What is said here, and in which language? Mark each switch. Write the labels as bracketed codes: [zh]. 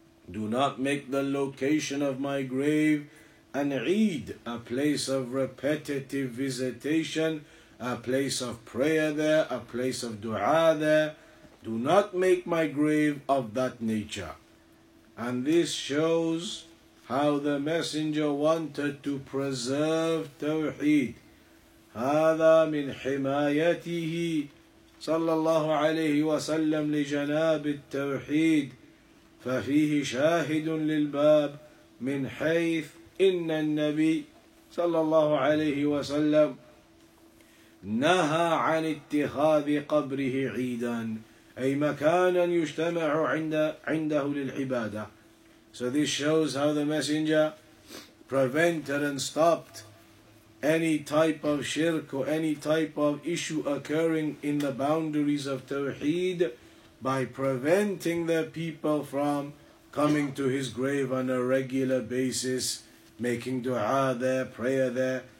[en] Do not make the location of my grave an Eid, a place of repetitive visitation, a place of prayer there, a place of dua there. Do not make my grave of that nature. And this shows how the messenger wanted to preserve Tawheed. [ar] هذا من حمايته صلى الله عليه وسلم لجناب التوحيد ففيه شاهد للباب من حيث إن النبي صلى الله عليه وسلم نهى عن اتخاذ قبره عيدا أي مكانا يجتمع عنده للعبادة. [en] So this shows how the messenger prevented and stopped any type of shirk or any type of issue occurring in the boundaries of Tawheed by preventing the people from coming to his grave on a regular basis, making dua there, prayer there.